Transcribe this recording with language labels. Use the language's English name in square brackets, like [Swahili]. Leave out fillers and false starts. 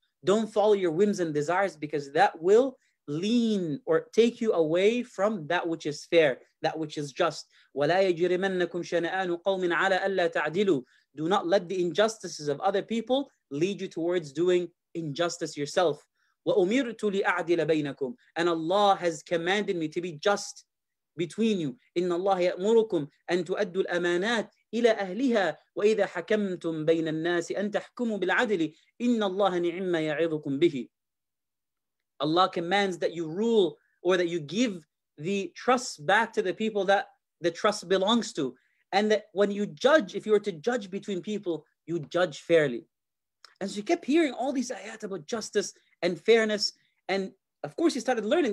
[English] Don't follow your whims and desires, because that will lean or take you away from that which is fair, that which is just. [Arabic] وَلَا يَجْرِمَنَّكُمْ شَنَآنُ قَوْمٍ عَلَىٰ أَلَّا تَعْدِلُوا. [English] Do not let the injustices of other people lead you towards doing injustice yourself. [Arabic] وَأُمِرْتُ لِأَعْدِلَ بَيْنَكُمْ. [English] And Allah has commanded me to be just between you. [Arabic] إِنَّ اللَّهَ يَأْمُرُكُمْ أَن تُؤَدُّوا الْأَمَانَاتِ إلى أهلها وإذا حكمتم بين الناس أن تحكموا بالعدل إن الله نعم يعظكم به. [English] Allah commands that you rule, or that you give the trust back to the people that the trust belongs to, and that when you judge, if you were to judge between people, you judge fairly. And so he kept hearing all these ayat about justice and fairness, and of course he started learning.